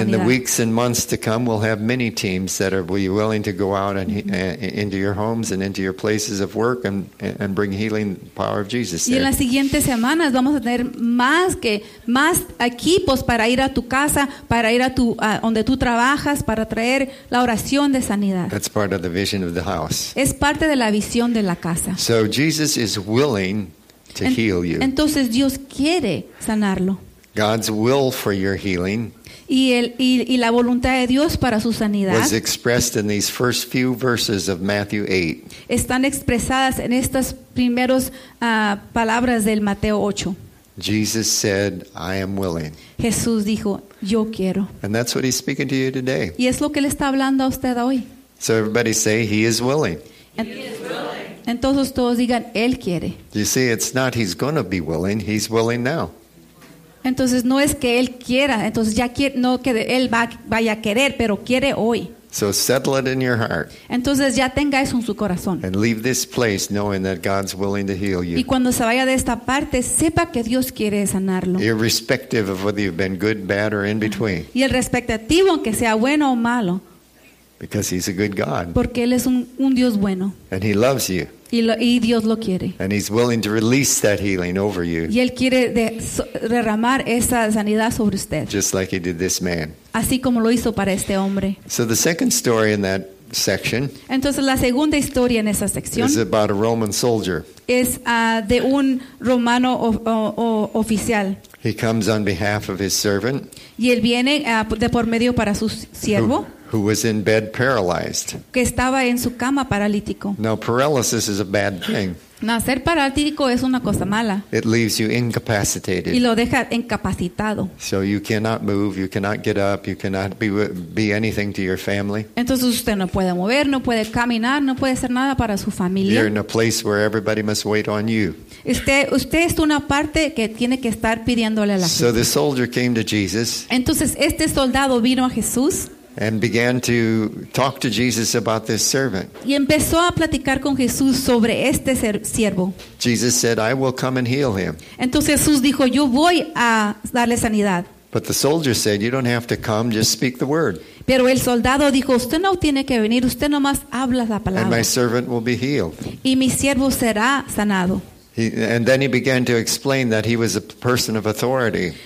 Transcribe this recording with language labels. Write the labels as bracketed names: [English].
[English] And in the weeks and months to come, we'll have many teams that will be willing to go out and into your homes and into your places of work and bring healing power of Jesus. [Spanish] Y en las siguientes semanas vamos a tener más equipos para ir a tu casa, para ir a tu donde tú trabajas, para traer la oración de sanidad. [English] That's part of the vision of the house. [Spanish] Es parte de la visión de la casa. [English] So Jesus is willing to heal you. [Spanish] Entonces Dios quiere sanarlo. [English] God's will for your healing. [Spanish] y la voluntad de Dios para su sanidad [English] was expressed in these first few verses of Matthew 8. [Spanish] Están expresadas en estas primeras palabras del Mateo 8. [English] Jesus said, I am willing. [Spanish] Jesús dijo, yo quiero. [English] And that's what he's speaking to you today. [Spanish] Y es lo que le está hablando a usted hoy. [English] So everybody say, he is willing. [Spanish] Entonces todos digan, él quiere. [English] You see, it's not he's going to be willing, he's willing now. [Spanish] Entonces no es que él quiera, entonces ya quiere, no que él vaya a querer, pero quiere hoy. [English] So settle it in your heart. [Spanish] Entonces ya tenga eso en su corazón. [English] And leave this place knowing that God's willing to heal you. [Spanish] Y cuando se vaya de esta parte, sepa que Dios quiere sanarlo. [English] Irrespective of whether you've been good, bad, or in between. [Spanish] Y el respectativo, aunque sea bueno o malo. [English] Because he's a good God. [Spanish] Porque él es un Dios bueno. [English] And he loves you. [Spanish] Y Dios lo quiere. [English] And he's willing to release that healing over you. [Spanish] Y él quiere derramar esa sanidad sobre usted. [English] Just like he did this man. [Spanish] Así como lo hizo para este hombre. [English] So the second story in that section. [Spanish] Entonces la segunda historia en esa sección. [English] Is about a Roman soldier. [Spanish] Es de un romano oficial. [English] He comes on behalf of his servant. [Spanish] Y él viene de por medio para su siervo. [English] Who was in bed paralyzed. [Spanish] Que estaba en su cama paralítico. [English] Now paralysis is a bad thing. [Spanish] No, ser paralítico es una cosa mala. [English] It leaves you incapacitated. [Spanish] Y lo deja incapacitado. [English] So you cannot move, you cannot get up, you cannot be anything to your family. [Spanish] Entonces usted no puede mover, no puede caminar, no puede hacer nada para su familia. [English] You're in a place where everybody must wait on you. [Spanish] Usted es una parte que tiene que estar pidiéndole a la gente. [English] So the soldier came to Jesus. [Spanish] Entonces este soldado vino a Jesús. [English] And began to talk to Jesus about this servant. [Spanish] Y empezó a platicar con Jesús sobre este siervo. [English] Jesus said, I will come and heal him. [Spanish] Entonces Jesús dijo, yo voy a darle sanidad. [English] But the soldier said, you don't have to come, just speak the word. [Spanish] Pero el soldado dijo, usted no tiene que venir, usted nomás habla la palabra. [English] And my servant will be healed. [Spanish] Y mi siervo será sanado. [English] And then he began to explain that he was a person of authority.